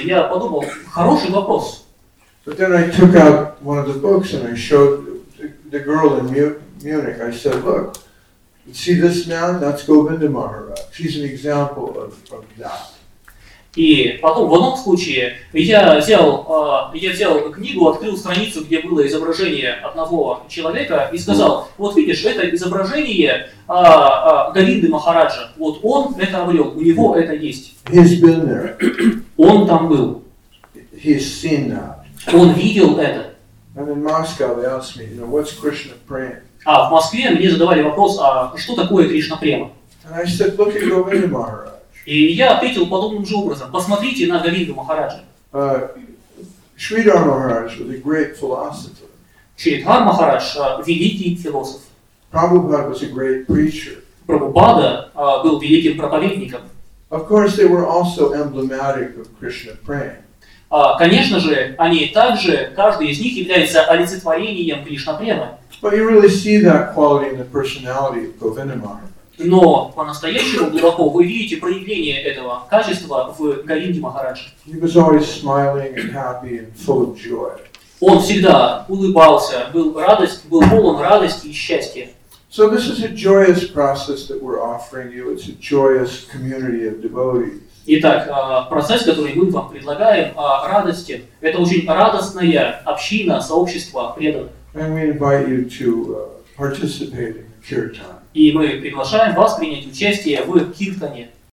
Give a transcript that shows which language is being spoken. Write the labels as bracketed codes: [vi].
[ru] Я подумал, хороший вопрос. [en] But then I took out one of the books and I showed the girl in Munich. I said, look, see this man? That's Govinda Maharaj. She's an example of that. [ru] И потом, в одном случае, я взял книгу, открыл страницу, где было изображение одного человека и сказал, вот видишь, это изображение Говинды Махараджа, вот он это обрел, у него это есть. [en] He's been there. [ru] Он там был. [en] He's seen that. [ru] Он видел это. [en] And in Moscow they asked me, you know, what's Krishna prema? [ru] А в Москве мне задавали вопрос, а что такое Кришна према? [en] And I said, look at Govinda Maharaj. [ru] И я ответил подобным же образом. Посмотрите на Говинду Махараджа. [en] Шридхар Махарадж was a great philosopher. [ru] Шридхар Махарадж великий философ. [en] Прабхупада was a great preacher. [ru] Прабхупада был великим проповедником. [en] Of course, they were also emblematic of Krishna praying. [ru] Конечно же, они также, каждый из них является олицетворением Кришнапремы. [en] But you really see that quality in the personality of Govindamaharaj. [ru] Но по-настоящему глубоко вы видите проявление этого качества в Говинде Махарадже. [en] He was always smiling and happy and full of joy. [ru] Он всегда улыбался, был полон радости и счастья. [en] So this is a joyous process that we're offering you. It's a joyous community of devotees. [ru] Итак, процесс, который мы вам предлагаем, радости, это очень радостная община, сообщество преданных. [en] And we invite you to participate in kirtan. [ru] И мы приглашаем вас принять участие в киртане.